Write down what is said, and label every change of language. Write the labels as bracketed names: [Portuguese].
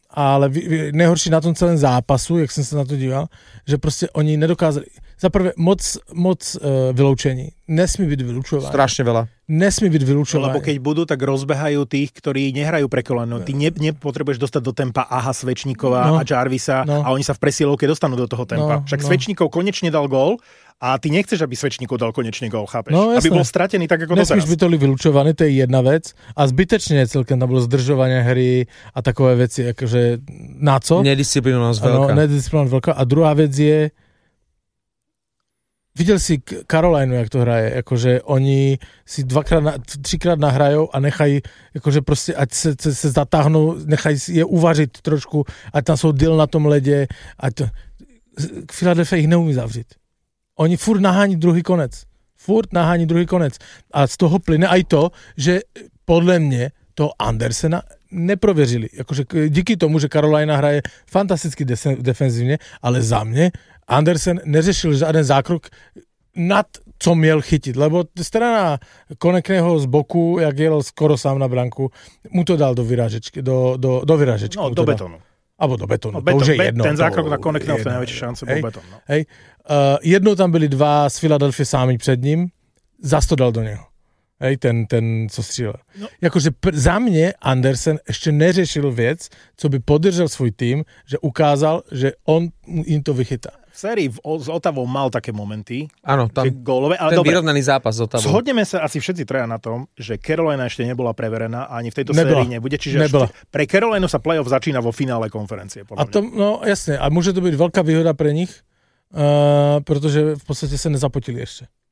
[Czech] Ale nejhorší na tom celém zápasu, jak jsem se na to díval, že prostě oni nedokázali, zaprvé moc vyloučení, nesmí být vylučování. [Slovak] Strašně veľa. [Czech] Nesmí být vylučování. Lebo keď budu, tak rozbehají tých, kteří nehrají prekolenou. Ty nepotřebuješ dostat do tempa Aha Svečníková no. a Jarvisa no. a oni se v presilovke dostanou do toho tempa. No. Však no. Svečníkov konečně dal gól. A ty nechceš, aby Svečníkov dal konečne gól, chápeš? No, [Slovak] aby bol stratený tak ako doteraz. [Czech] Nesmíš by to byť vylučovaný, to je jedna vec. A zbytečne celkem tam bolo zdržovanie hry a takové veci, akože na co? [Slovak] Nedisciplinovanosť veľká. Nedisciplinovanosť veľká. A druhá vec je, videl si Carolinu, jak to hraje, akože oni si trikrát nahrajú a nechají, akože proste, [Czech] ať se zatáhnú, [Slovak] nechají je uvažiť trošku, ať tam sú dil na tom lede, ať to... [Czech] Philadelphia ich neumí zavřít. Oni furt nahání druhý konec. Furt nahání druhý konec. A z toho plyne aj to, že podle mě to Andersena neprověřili. Jakože díky tomu, že Carolina hraje fantasticky defenzivně, ale za mě Andersen neřešil žádný zákrok nad co měl chytit. Lebo strana Konekného z boku, jak jel skoro sám na branku, mu to dal do vyrážečky. Do vyrážečky. No, do betonu. Abo do betonu, no, to už je jedno. Ten zákrok na Konekného, to je největší šance, byl beton. No. [Slovak] Hej. [Czech] Jednou tam byli dva z Philadelphia sami před ním, zas to dal do něho. Hej, ten co střílel. No. Jakože za mě Andersen ještě neřešil věc, co by podržel svůj tým, že ukázal, že on jim to vychytá. [Slovak] sérii s Otavou mal také momenty. Áno, tam gólové, ale ten dobre, vyrovnaný zápas s Otavou. Zhodneme sa asi všetci traja na tom, že Carolina ešte nebola preverená a ani v tejto nebola. Sérii nebude. Čiže nebola. Pre Carolinu sa playoff začína vo finále konferencie. A to, no jasne, a môže to byť veľká výhoda pre nich, pretože v podstate sa nezapotili ešte.